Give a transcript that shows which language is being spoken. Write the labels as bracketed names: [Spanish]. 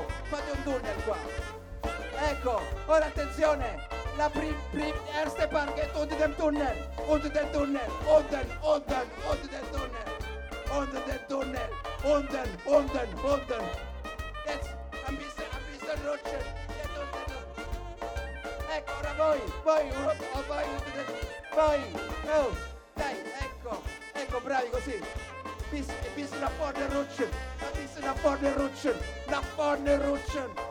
[Italian] Fate un tunnel qua. Ecco, ora attenzione. [German] La erste Parkett unter dem Tunnel. Unter dem Tunnel. Unten, unten, unter dem Tunnel. Unter dem Tunnel. Unten, unten, unten. Jetzt ein bisschen rutschen. Jetzt unten, unten. [Italian] Ecco, ora voi, voi, voi, [German] unter dem, [Italian] voi, oh, dai, ecco, ecco, bravi così. [German] Bis nach vorne rutschen. Nach vorne rutschen, nach vorne rutschen.